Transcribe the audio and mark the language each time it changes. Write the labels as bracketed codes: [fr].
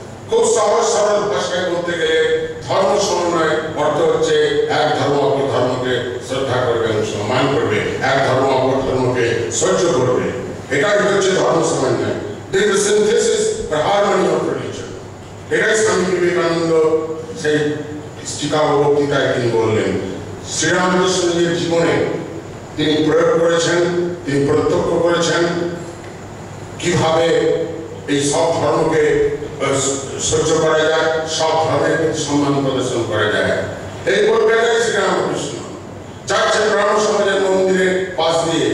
[bn] খুব সহজ সরল ভাষায় বলতে গেলে ধর্ম সমন্বয় অর্থ হচ্ছে এক ধর্ম অপর ধর্মকে শ্রদ্ধা করবে, সম্মান করবে, এক ধর্ম অপর ধর্মকে সহ্য করবে, এটাই হচ্ছে ধর্ম সমন্বয়। [en] This is synthesis, the harmony of religion. [bn] এটাই স্বামী বিবেকানন্দ সেই চিকাগো বক্তৃতায় তিনি বললেন। শ্রীরামকৃষ্ণের জীবনে তিনি প্রয়োগ করেছেন, তিনি প্রত্যক্ষ করেছেন কিভাবে এই সব ধর্মকে সহ্য করা যায়, সব ধর্মের প্রতি সম্মান প্রদর্শন করা যায়। এই বলবেন শ্রীরামকৃষ্ণ চাচ্ছেন ব্রাহ্ম সমাজের মন্দিরে পাঁচ দিন